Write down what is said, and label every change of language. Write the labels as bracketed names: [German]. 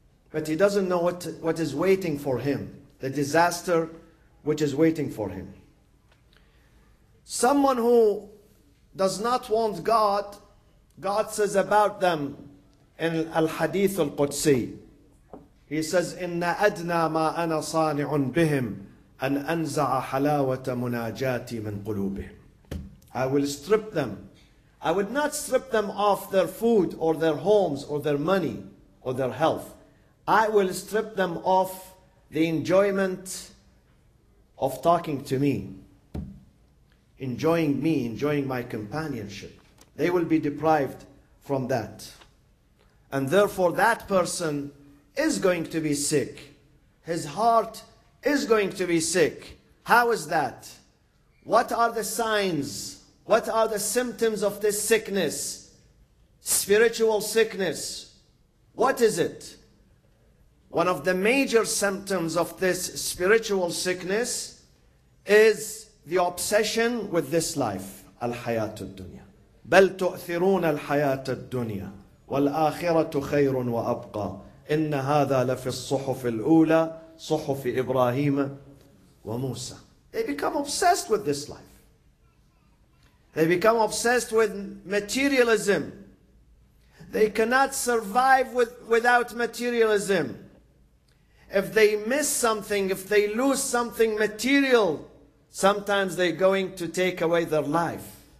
[English] But he doesn't know what is waiting for him. The disaster which is waiting for him. Someone who does not want God, God says about them in Al-Hadith Al-Qudsi. He says, [Arabic] إِنَّ أَدْنَى مَا أَنَا صَانِعٌ بِهِمْ أَنْ أَنْزَعَ حَلَاوَةَ مُنَاجَاتِي مِنْ قُلُوبِهِمْ. [English] I will strip them. I would not strip them off their food or their homes or their money or their health. I will strip them off the enjoyment of talking to me, enjoying me, enjoying my companionship. They will be deprived from that. And therefore that person is going to be sick. His heart is going to be sick. How is that? What are the signs? What are the symptoms of this sickness? Spiritual sickness. What is it? One of the major symptoms of this spiritual sickness is the obsession with this life, [Arabic] الحياه الدنيا. بل تؤثرون الحياه الدنيا والاخره خير وابقى ان هذا لفي الصحف الاولى صحف ابراهيم وموسى. [English] They become obsessed with this life. They become obsessed with materialism. They cannot survive without materialism. If they miss something, if they lose something material, sometimes they're going to take away their life.